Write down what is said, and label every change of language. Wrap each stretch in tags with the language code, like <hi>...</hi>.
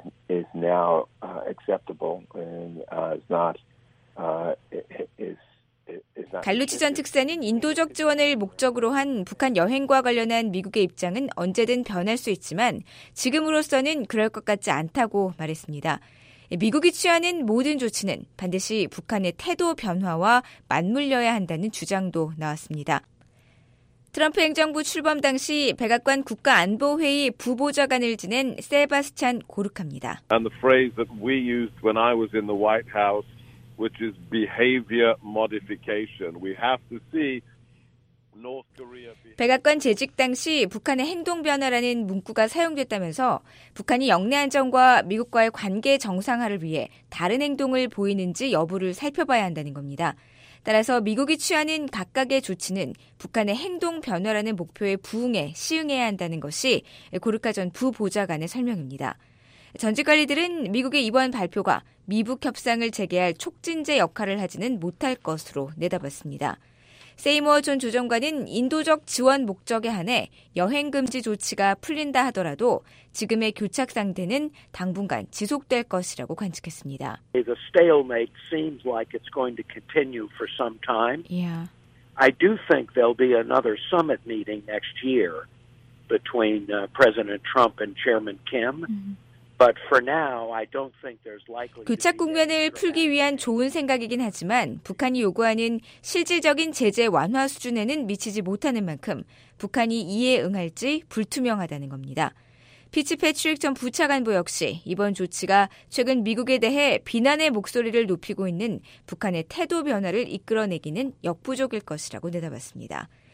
<en>Is now acceptable and is not is is not.</en> <ko>갈루치 전 특사는 인도적 지원을 목적으로 한 북한 여행과 관련한 미국의 입장은 언제든 변할 수 있지만 지금으로서는 그럴 것 같지 않다고 말했습니다. 미국이 취하는 모든 조치는 반드시 북한의 태도 변화와 맞물려야 한다는 주장도 나왔습니다. 트럼프 행정부 출범 당시 백악관 국가안보회의 부보좌관을 지낸 세바스찬 고르카입니다.</ko> <en>And the phrase that we used when I was in the White House, which is behavior modification. We have to see North Korea.</en> <ko>백악관 재직 당시 북한의 행동 변화라는 문구가 사용됐다면서 북한이 영내 안정과 미국과의 관계 정상화를 위해 다른 행동을 보이는지 여부를 살펴봐야 한다는 겁니다. 따라서 미국이 취하는 각각의 조치는 북한의 행동 변화라는 목표에 부응해 시행해야 한다는 것이 고르카 전 부보좌관의 설명입니다. 전직 관리들은 미국의 이번 발표가 미북 협상을 재개할 촉진제 역할을 하지는 못할 것으로 내다봤습니다. 세이머 전 조정관은 인도적 지원 목적에 한해 여행 금지 조치가 풀린다 하더라도 지금의 교착 상태는 당분간 지속될 것이라고 관측했습니다.</ko> <en>The stalemate seems like it's going to continue for some time. Yeah. I do think there'll be another summit meeting next year between President Trump and Chairman Kim. Mm-hmm. But for now, I don't think there's likely.</en> <ko>교착 국면을 풀기 위한 좋은 생각이긴 하지만 북한이 요구하는 실질적인 제재 완화 수준에는 미치지 못하는 만큼 북한이 이에 응할지 불투명하다는 겁니다. 피츠 패트릭 전 부차관보 역시 이번 조치가 최근 미국에 대해 비난의 목소리를 높이고 있는 북한의 태도 변화를 이끌어내기는 역부족일 것이라고 내다봤습니다.</ko>